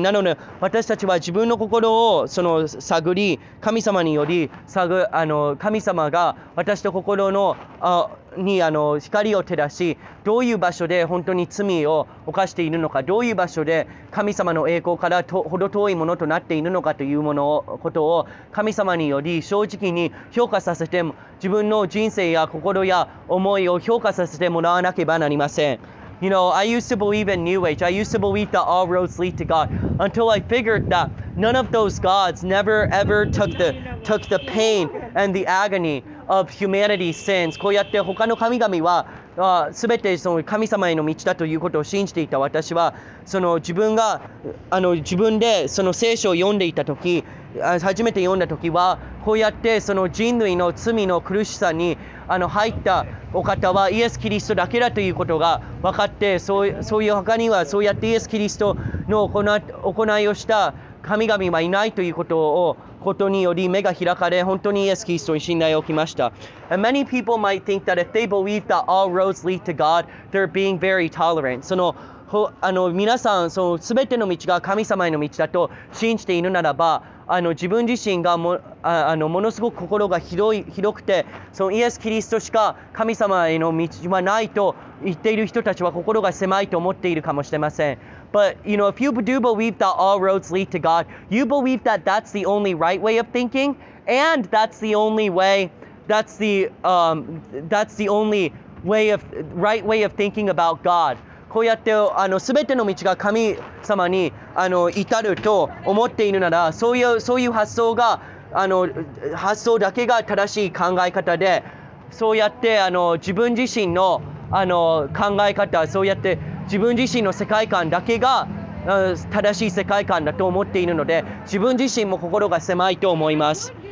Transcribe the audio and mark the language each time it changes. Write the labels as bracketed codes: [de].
[ja] なので私たちは自分の心をその探り、神様により神様が私の心のに光を照らし、どういう場所で本当に罪を犯しているのか、どういう場所で神様の栄光からほど遠いものとなっているのかというものをことを神様により正直に評価させて、自分の人生や心や思いを評価させてもらわなければなりません。 [en] You know, I used to believe in New Age. I used to believe that all roads lead to God. Until I figured that none of those gods never ever took the pain and the agony of humanity's sins. [ja] こうやって他の神々は、すべてその神様への道だということを信じていた私は、その自分が自分でその聖書を読んでいたとき、初めて読んだときは、こうやってその人類の罪の苦しさに入ったお方はイエス・キリストだけだということが分かって、そういう他にはそうやってイエス・キリストの行いをした神々はいないということをことにより目が開かれ、本当にイエス・キリストに信頼を置きました。 [en] And many people might think that if they believe that all roads lead to God, they're being very tolerant. [ja] その皆さん、その全ての道が神様への道だと信じているならば、自分自身がものすごく心がひどくて、そのイエス・キリストしか神様への道はないと言っている人たちは心が狭いと思っているかもしれません。 [en] But you know, if you do believe that all roads lead to God, you believe that that's the only right way of thinking, and that's the only way, that's the only right way of thinking about God. [ja] こうやって全ての道が神様に至ると思っているなら、そういう発想が発想だけが正しい考え方で、そうやって自分自身の考え方、そうやって自分自身の世界観だけが正しい世界観だと思っているので、自分自身も心が狭いと思います。